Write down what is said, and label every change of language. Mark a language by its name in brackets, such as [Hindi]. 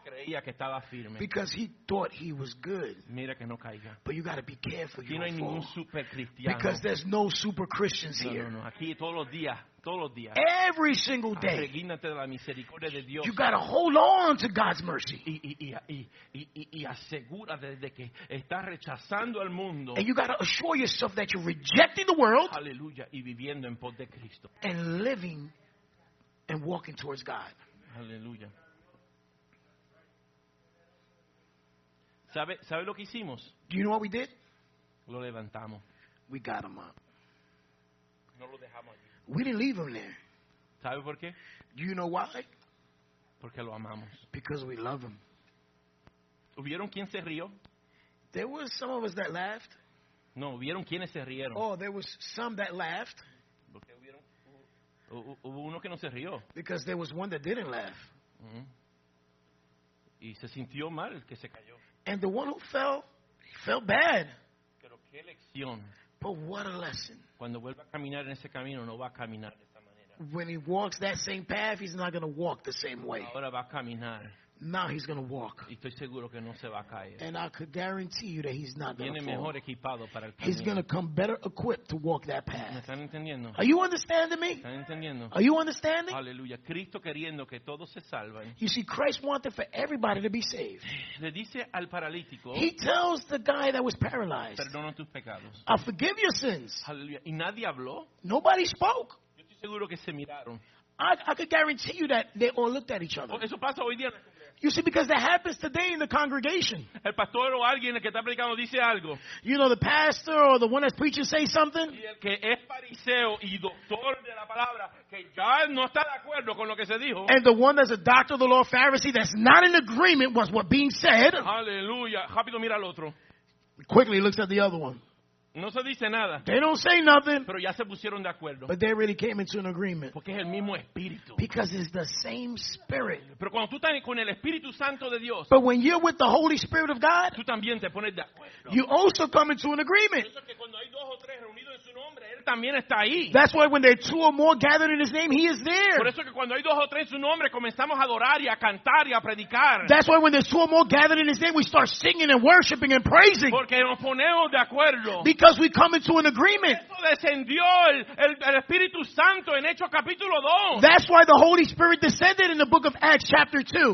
[Spanish] Creía que estaba firme. [English] Because he thought he was good. [Spanish] Mira que no caiga. [English] But you got to be careful. [Spanish] Aquí no hay ningún super cristiano. [English] Because there's no super Christians here. [Spanish] No. Aquí todos los días. [English] Every single day. [Spanish] Arreglínate de la misericordia de Dios. [English] You got to hold on to God's mercy. [Spanish] Y asegúrate de que estás rechazando al mundo. [English] And you got to assure yourself that you're rejecting the world. [Spanish] Aleluya, y viviendo en pos de Cristo. [English] And living and walking towards God. [Spanish] Aleluya. ¿Sabe lo que hicimos? [English] Do you know what we did? [Spanish] Lo levantamos. [English] We got him up. [Spanish] No lo dejamos allí. [English] We didn't leave him there. [Spanish] ¿Sabe por qué? [English] Do you know why? [Spanish] Porque lo amamos. [English] Because we love him. [Spanish] ¿Hubieron quien se rió? [English] There was some of us that laughed. [Spanish] No, ¿hubieron quienes se rieron? [English] Oh, there was some that laughed. [Spanish] Hubo uno que no se rió. [English] Because there was one that didn't laugh. [Spanish] Y se sintió mal que se cayó. [English] And the one who fell, he felt bad. [Spanish] Pero qué lección. [English] But what a lesson. [Spanish] Cuando vuelva a caminar en ese camino, no va a caminar de esa manera. [English] When he walks that same path, he's not going to walk the same way. [Spanish] Ahora va a caminar. [English] Now he's going to walk. [Spanish] Y estoy seguro que no se va a caer. [English] And I could guarantee you that he's not going to fall. [Spanish] Viene mejor equipado para el camino. [English] He's going to come better equipped to walk that path. [Spanish] ¿Me están entendiendo? [English] Are you understanding me? [Spanish] ¿Están entendiendo? [English] Are you understanding? [Spanish] Aleluya. Cristo queriendo que todos se salven. [English] You see, Christ wanted for everybody to be saved. [Spanish] Le dice al paralítico, [English] he tells the guy that was paralyzed, [Spanish] perdono tus pecados. [English] I forgive your sins. [Spanish] Aleluya. Y nadie habló. [English] Nobody spoke. [Spanish] Yo estoy seguro que se miraron. [English] I could guarantee you that they all looked at each other. [Spanish] Eso pasa hoy día. [English] You see, because that happens today in the congregation. [Spanish] El pastor o alguien que está predicando dice algo. [English] You know, the pastor or the one that's preaching say something. [Spanish] Y el que es fariseo y doctor de la palabra, que ya no está de acuerdo con lo que se dijo. [English] And the one that's a doctor of the law, Pharisee, that's not in agreement with what's being said. [Spanish] Aleluya. Rápido mira al otro. [English] Quickly looks at the other one. [Spanish] No se dice nada. [English] They don't say nothing. [Spanish] Pero ya se pusieron de acuerdo. [English] But they really came into an agreement. [Spanish] Porque es el mismo espíritu. [English] Because it's the same spirit. [Spanish] Pero cuando tú estás con el Espíritu Santo de Dios, [English] but when you're with the Holy Spirit of God, [Spanish] tú también te pones de acuerdo. [English] You also come into an agreement. [Spanish] Eso es que cuando hay dos o tres reunidos en su nombre, él también está ahí. [English] That's why when there are two or more gathered in his name, he is there. [Spanish] Por eso es que cuando hay dos o tres en su nombre, comenzamos a adorar y a cantar y a predicar. [English] That's why when there's two or more gathered in his name, we start singing and worshiping and praising. [Spanish] Porque nos ponemos de acuerdo. [English] Because we come into an agreement. [Spanish] Descendió el Espíritu Santo en Hechos capítulo 2. [English] That's why the Holy Spirit descended in the book of Acts chapter 2.